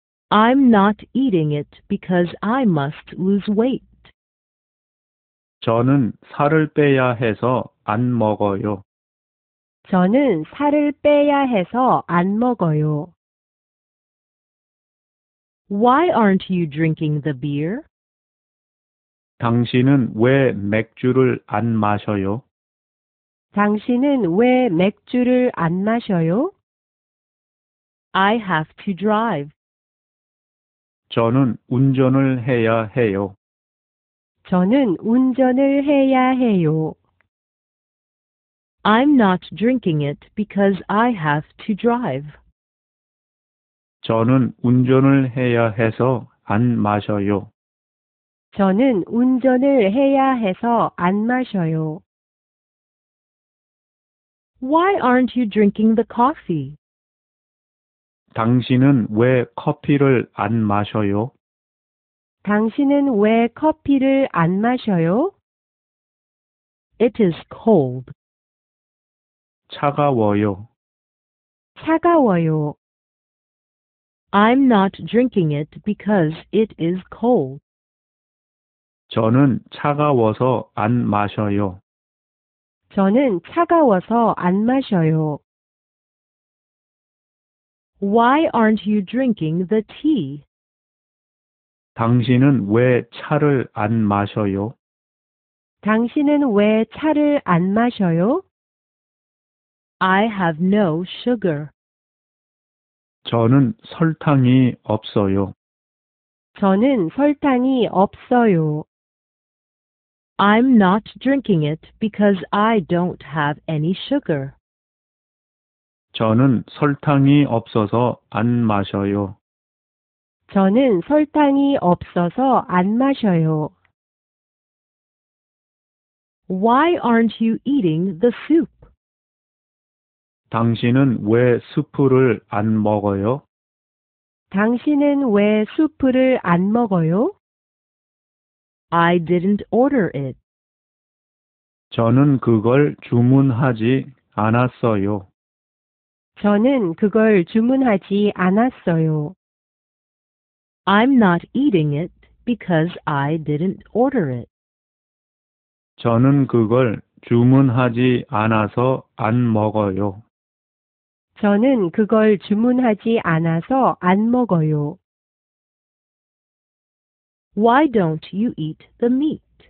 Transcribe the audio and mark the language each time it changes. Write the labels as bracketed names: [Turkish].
[English] I'm not eating it because I must lose weight. [Korean] 저는 살을 빼야 해서 안 먹어요. 저는 살을 빼야 해서 안 먹어요. [English] Why aren't you drinking the beer? [Korean] 당신은 왜 맥주를 안 마셔요? 당신은 왜 맥주를 안 마셔요? [English] I have to drive. [Korean] 저는 운전을 해야 해요. 저는 운전을 해야 해요. [English] I'm not drinking it because I have to drive. [Korean] 저는 운전을 해야 해서 안 마셔요. 저는 운전을 해야 해서 안 마셔요. [English] Why aren't you drinking the coffee? [Korean] 당신은 왜 커피를 안 마셔요? 당신은 왜 커피를 안 마셔요? [English] It is cold. [Korean] 차가워요. 차가워요. [English] I'm not drinking it because it is cold. [Korean] 저는 차가워서 안 마셔요. 저는 차가워서 안 마셔요. [English] Why aren't you drinking the tea? [Korean] 당신은 왜 차를 안 마셔요? 당신은 왜 차를 안 마셔요? [English] I have no sugar. [Korean] 저는 설탕이 없어요. 저는 설탕이 없어요. [English] I'm not drinking it because I don't have any sugar. [Korean] 저는 설탕이 없어서 안 마셔요. 저는 설탕이 없어서 안 마셔요. [English] Why aren't you eating the soup? [Korean] 당신은 왜 수프를 안 먹어요? 당신은 왜 수프를 안 먹어요? [English] I didn't order it. [Korean] 저는 그걸 주문하지 않았어요. 저는 그걸 주문하지 않았어요. [English] I'm not eating it because I didn't order it. [Korean] 저는 그걸 주문하지 않아서 안 먹어요. 저는 그걸 주문하지 않아서 안 먹어요. [English] Why don't you eat the meat?